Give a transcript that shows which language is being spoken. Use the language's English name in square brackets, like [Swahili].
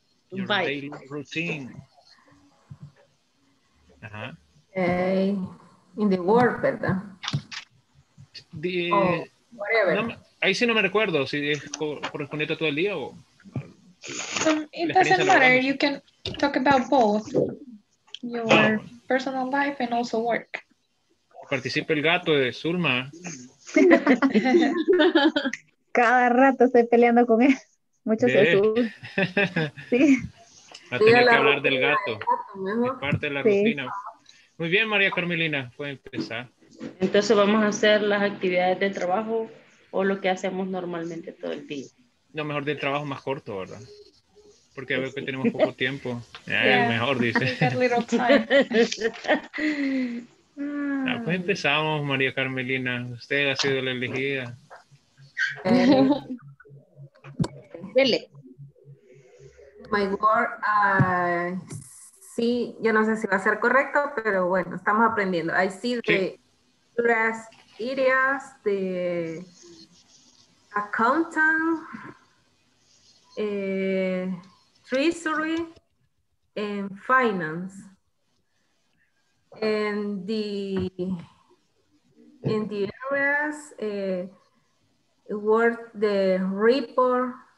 [English] Your bye. Daily routine. In the world, [Spanish] ¿verdad? [English] Whatever. [Spanish] Ahí sí no me recuerdo si es correspondiente a todo el día o. [English] It doesn't matter. You can talk about both your personal life and also work. [Spanish] Participa el gato de Zulma. Cada rato estoy peleando con él. Mucho se sube. Sí. A tener que hablar del gato. Es parte de la rutina. Muy bien, María Carmelina, puede empezar. Entonces vamos a hacer las actividades de trabajo o lo que hacemos normalmente todo el día. No, mejor del trabajo más corto, ¿verdad? Porque veo que tenemos poco tiempo. Mejor, dice. Ah, pues empezamos, María Carmelina. Usted ha sido la elegida. Dele. [English] My work, [Spanish] sí, yo no sé si va a ser correcto, pero bueno, estamos aprendiendo. [English] I see the rest areas, the accountant, treasury, and finance. And the areas, work the report.